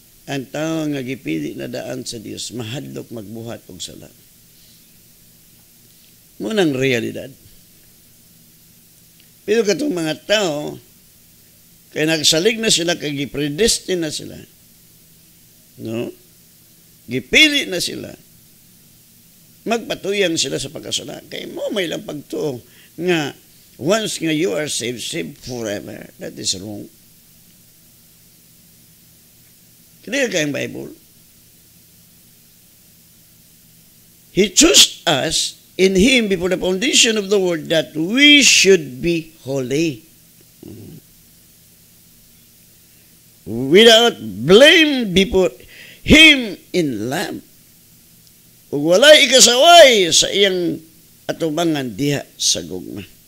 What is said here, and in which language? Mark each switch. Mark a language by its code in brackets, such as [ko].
[ceb] Ang tao nga gipili na daan sa Dios mahadlok magbuhat og sala. Munang realidad. Pero katong mga tao kay nagsalig na sila kay gipredestined na sila. No? Gipili na sila. Magpatuyang sila sa pagkasala. Kay mo may lang pagtuo nga once nga [en] you are saved, saved forever. That is wrong. [ceb] Clear ka yung Bible. [en] He chose us in Him before the foundation of the world that we should be holy. Without blame before Him in love. [ceb] Ug walay ikasaway sa iyang atubangan diha sa gugma.